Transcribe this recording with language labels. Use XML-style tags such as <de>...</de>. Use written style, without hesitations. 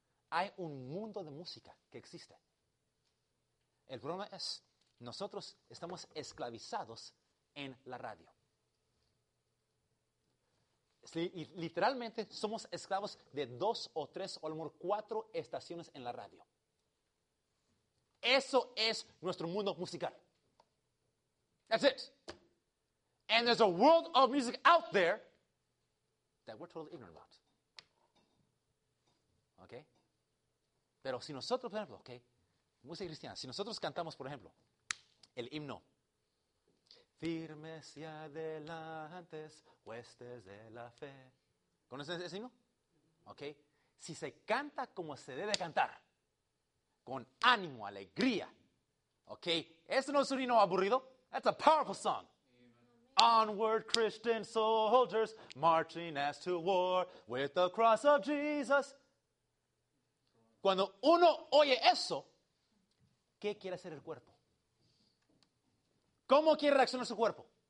<es>Hay un mundo de música que existe. El problema es, nosotros estamos esclavizados en la radio. Literalmente somos esclavos de 2 o 3 o a lo mejor 4 estaciones en la radio. Eso es nuestro mundo musical.</es> <en>That's it. And there's a world of music out there that we're totally ignorant about. Okay?</en> <es>Pero si nosotros, por ejemplo, okay, música cristiana, si nosotros cantamos, por ejemplo, el himno. Firmes y adelantes, huestes de la fe. ¿Conocen ese himno? Okay. Si se canta como se debe cantar, con ánimo, alegría. Okay. Eso no es un himno aburrido.</es> <en>That's a powerful song. Onward, Christian soldiers, marching as to war with the cross of Jesus.</en> <es>Cuando uno oye eso, ¿qué quiere hacer el cuerpo? ¿Cómo quiere reaccionar su cuerpo?</es>